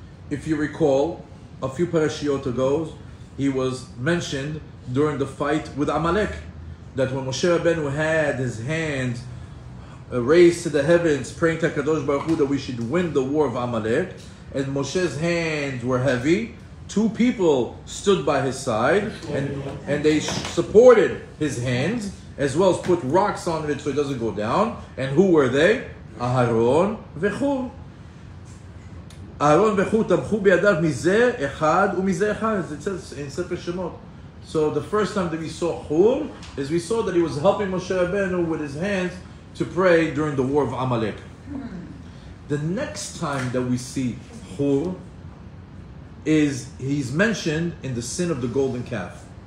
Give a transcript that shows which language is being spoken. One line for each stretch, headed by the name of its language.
English: If you recall, a few parashiyot ago, he was mentioned during the fight with Amalek, that when Moshe Rabbeinu had his hand raised to the heavens, praying to HaKadosh Baruch Hu that we should win the war of Amalek, and Moshe's hands were heavy, two people stood by his side, and they supported his hands, as well as put rocks on it so it doesn't go down. And who were they? Aharon v'Hur.
Hebrew: Aaron וחור תמכו בידיו מזה אחד ומזה אחד.
English: It says in Sefer Shemot. So the first time that we saw Hur is we saw that he was helping Moshe Rabbeinu with his hands to pray during the war of Amalek. The next time that we see Hur is he's mentioned in the sin of the golden calf.